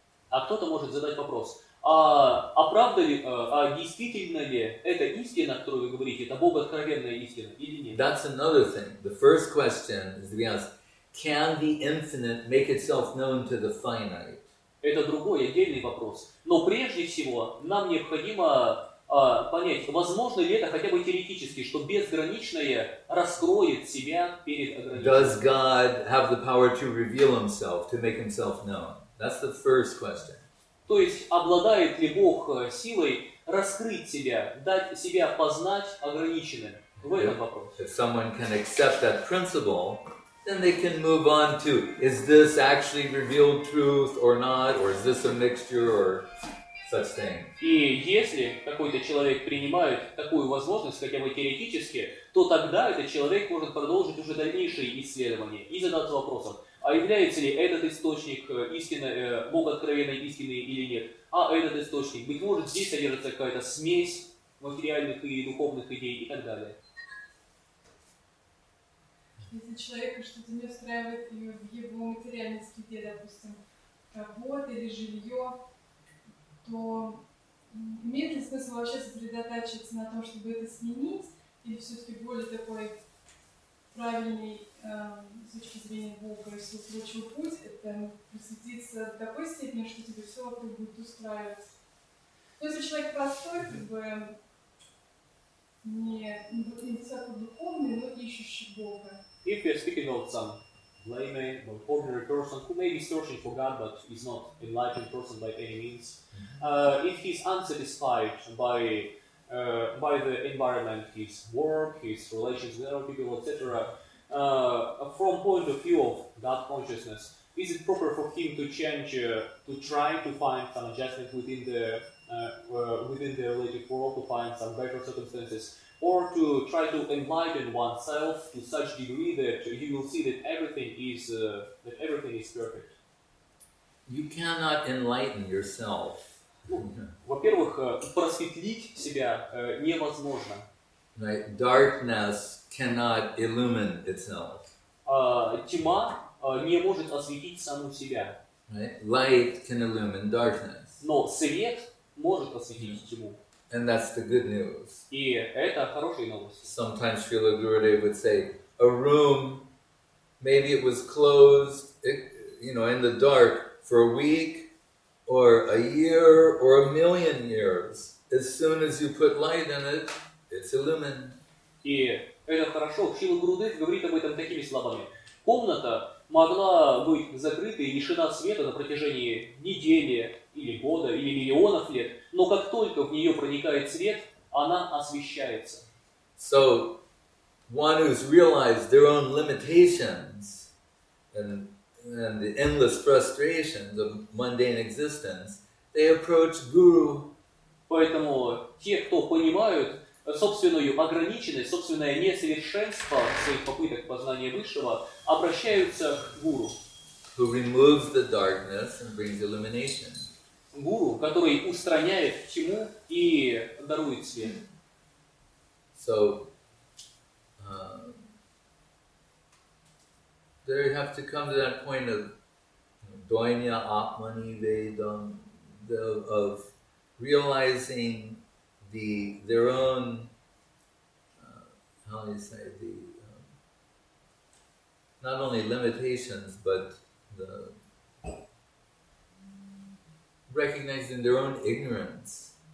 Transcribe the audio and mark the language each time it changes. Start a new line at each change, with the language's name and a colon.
Russian: А кто-то может задать вопрос: а действительно ли это истина, о которой вы говорите, это богооткровенная истина или нет?
English: That's another thing. The first question is to be honest. Can the infinite make itself known to the finite?
Russian: Это другой отдельный вопрос. Но прежде всего нам необходимо понять, возможно ли это хотя бы теоретически, что безграничное раскроет себя перед ограниченным.
English: Does God have the power to reveal himself, to make himself known? That's the first question.
Russian: То есть обладает ли Бог силой раскрыть себя, дать себя познать ограниченным? В этом вопрос.
English: If someone can accept that principle, then they can move on to, is this actually revealed truth or not, or is this a mixture or such thing?
Russian: И если какой-то человек принимает такую возможность, хотя бы теоретически, то тогда этот человек может продолжить уже дальнейшие исследования и задаться вопросом, а является ли этот источник истинной, богооткровенной истины или нет? А этот источник, быть может, здесь содержится какая-то смесь материальных и духовных идей и так далее. Если человека что-то не устраивает в его материальной среде, допустим, работа или жилье, то Имеет ли смысл вообще сосредотачиваться на том, чтобы это сменить, или все-таки более такой правильный с точки зрения Бога и всего прочего путь, это просветиться до такой степени, что тебе все вокруг будет устраивать. Но если человек простой, как бы не всяко духовный, но ищущий Бога.
English: If you're speaking about some layman or ordinary person who may be searching for God but is not an enlightened person by any means, if he's unsatisfied by the environment, his work, his relations with other people, etc., from point of view of God consciousness, is it proper for him to change, to try to find some adjustment within the relative world, to find some better circumstances, or to try to enlighten oneself to such degree that you will see that everything is perfect? You cannot enlighten yourself.
Russian: Во-первых, просветлить себя невозможно.
English: Right. Darkness cannot illumine itself.
Russian: Тьма не может осветить саму себя.
English: Right. Light can illumine darkness.
Russian: Но свет может осветить тьму.
English: And that's the good news.
Russian: И это хорошая новость.
English: Sometimes Srila Gurudev would say, a room, maybe it was closed, in the dark for a week, or a year, or a million years. As soon as you put light in it, it's illumined.
Russian: И это хорошо. Шрила Гурудев говорит об этом такими словами. Комната могла быть закрыта и лишена света на протяжении недели, или года, или миллионов лет, но как только в нее проникает свет, она освещается.
English: So, one who's realized their own limitations and the endless frustrations of mundane existence, they approach Guru.
Russian: Поэтому те, кто понимают собственную ограниченность, собственное несовершенство своих попыток познания Высшего, обращаются к Гуру.
English: Who removes the darkness and brings illumination.
Russian: Гуру, который устраняет тьму и дарует свет.
English: So, there you have to come to that point of doinya atmani vedam, of realizing not only limitations, but the recognizing their own ignorance.